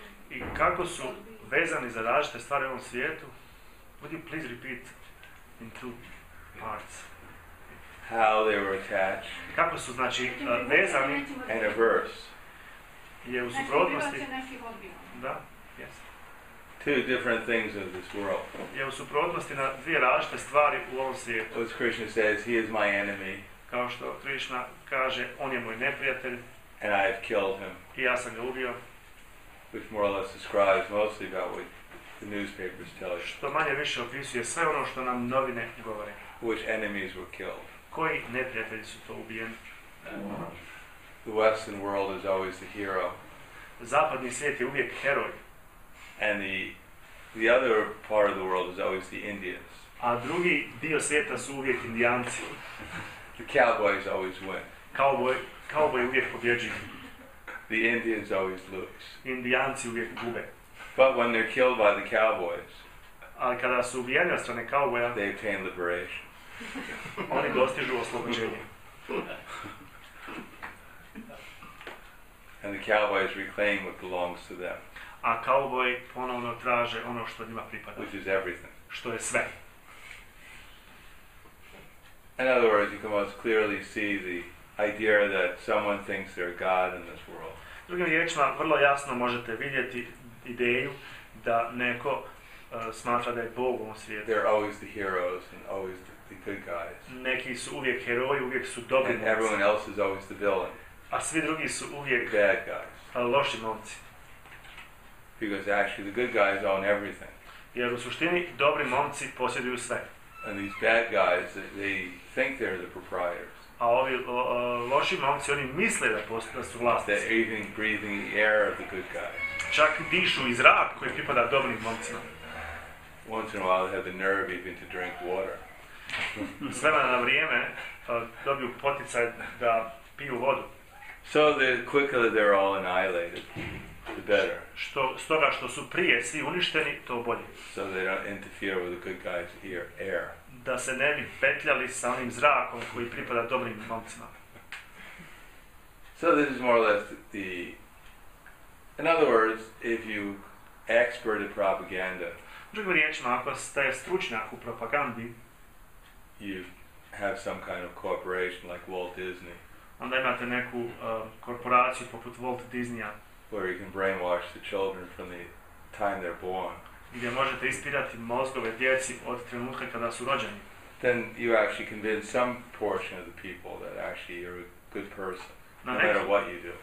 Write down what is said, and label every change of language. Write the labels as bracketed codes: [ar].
[bs] I kako su vezani za različite stvari u ovom svijetu? [en] Would you please repeat in two parts? How they were attached. [bs] Kako su, znači, vezani [en] and averse. [bs] Je u suprotnosti. Da, [en] yes. Two different things of this world. [bs] Je u suprotnosti na dvije različite stvari u ovom svijetu. [en] As Krishna says, he is my enemy. [bs] Kao što Krishna kaže, on je moj neprijatelj. [en] And I have killed him. [bs] I ja sam ga ubio. [en] Which more or less describes mostly about what the newspapers tell you. [bs] Što manje više opisuje sve ono što nam novine govore. [en] Which enemies were killed. [bs] Koji neprijatelji su to ubijeni. [en] The Western world is always the hero. [bs] Zapadni svijet je uvijek heroj. [en] And the other part of the world is always the Indians. [bs] A drugi dio svijeta su uvijek Indijanci. [en] The cowboys always win. [bs] Kauboji uvijek pobjeđuju. [en] The Indians always lose. [bs] Indijanci uvijek gube. [en] But when they're killed by the cowboys, [bs] ali kada su ubijeni od strane kauboja, [en] they attain liberation. [bs] Oni dostižu oslobođenje. [en] And the cowboys reclaim what belongs to them. [bs] A kauboji ponovno traže ono što njima pripada. [en] Which is everything. [bs] Što je sve. [en] In other words, you can most clearly see the idea that someone thinks they're God in this world. [bs] Drugim riječima, vrlo jasno možete vidjeti ideju da neko smatra da je Bog u ovom svijetu. [en] They're always the heroes and always the good guys. [bs] Neki su uvijek heroji, uvijek su dobri momci. [en] And everyone else is always the villain. [bs] A svi drugi su uvijek [en] bad guys. [bs] Loši momci. [en] Because actually the good guys own everything. [bs] Jer u suštini dobri momci posjeduju sve. [en] And these bad guys, they think they're the proprietors. [bs] A ovi loši momci, oni misle da su vlasnici. [en] They're even breathing the air of the good guys. [bs] Čak dišu i zrak koji pripada dobrim momcima. [en] Once in a while they have the nerve even to drink water. [bs] Svema na vrijeme dobiju poticaj da piju vodu. [en] So the quicker they're all annihilated, the better. [bs] Što, stoga što su prije svi uništeni, to bolje. [en] So they don't interfere with the good guys' air. [bs] Da se ne bi petljali sa onim zrakom koji pripada dobrim momcima. [en] So this is more or less the... In other words, if you expert at propaganda... [bs] Drugim riječima, ako ste stručnjak u propagandi... [en] You have some kind of corporation like Walt Disney. [bs] Onda imate neku korporaciju poput Walt Disneya. [en] Where you can brainwash the children from the time they're born. [bs] Gdje možete ispirati mozgove djeci od trenutka kada su rođeni. [en] Then you actually convince some portion of the people that actually you're a good person, no matter what you do.